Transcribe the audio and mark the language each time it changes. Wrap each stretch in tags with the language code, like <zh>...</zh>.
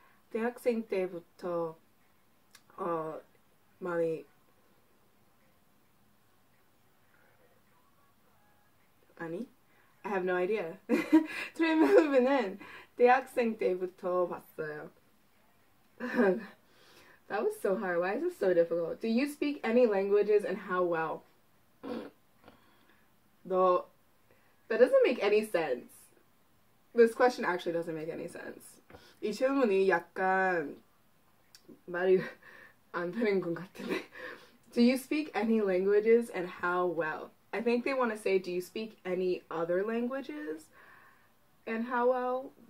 <ko>대학생 때부터 많이 아니?</ko> <en>I have no idea.</en> <ko>트레이 멜빈은 대학생 때부터 봤어요.</ko> <en>That was so hard. Why is it so difficult? Do you speak any languages and how well? Though, that doesn't make any sense. This question actually doesn't make any sense.</en> <ko>이 질문이 약간 말이 안 되는 것 같은데.</ko> <en>Do you speak any languages and how well? I think they want to say, do you speak any other languages and how well?</en>